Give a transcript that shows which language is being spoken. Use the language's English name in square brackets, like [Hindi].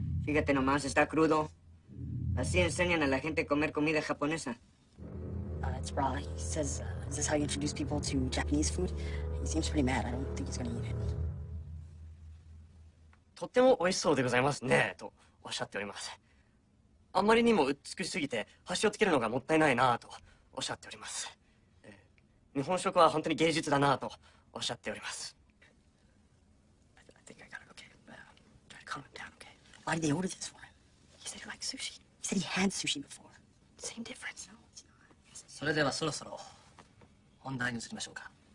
[Spanish] Fíjate nomás, está crudo. Así enseñan a la gente a comer comida japonesa. [English] It's raw. He says, is this how you introduce people to Japanese food? He seems pretty mad. I don't think he's gonna eat it. [Japanese] とても美味しそうでございますね、とおっしゃっております。あまりにも美しすぎて、端をつけるのがもったいないなとおっしゃっております。日本食は本当に芸術だなとおっしゃっております。 [English] I think I gotta go get it. Try to calm him down, okay? Why did they order this for him? He said he liked sushi. He said he had sushi before. Same difference, no? [Japanese] それではそろそろ本題に移りましょうか。